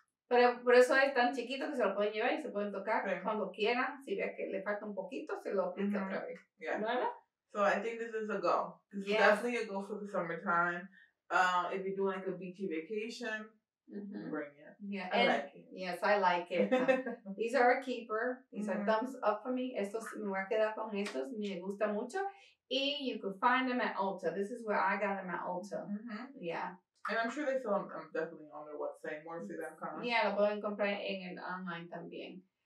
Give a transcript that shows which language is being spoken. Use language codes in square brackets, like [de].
[es] Pero por eso es tan chiquito que se lo pueden llevar y se pueden tocar cuando quieran. Si ve que le falta un poquito, se lo aplica otra vez. [en] So I think this is a go. This is definitely a go for the summertime. If you're doing like a beachy vacation, bring it. I like it. These are a keeper. These are thumbs up for me. [es] Estos me voy a quedar con estos. Me gusta mucho. [en] And you can find them at Ulta. This is where I got them at Ulta. And I'm sure they sell them. I'm definitely on their website. Morphe.com. [es] Yeah, lo pueden comprar en el online también.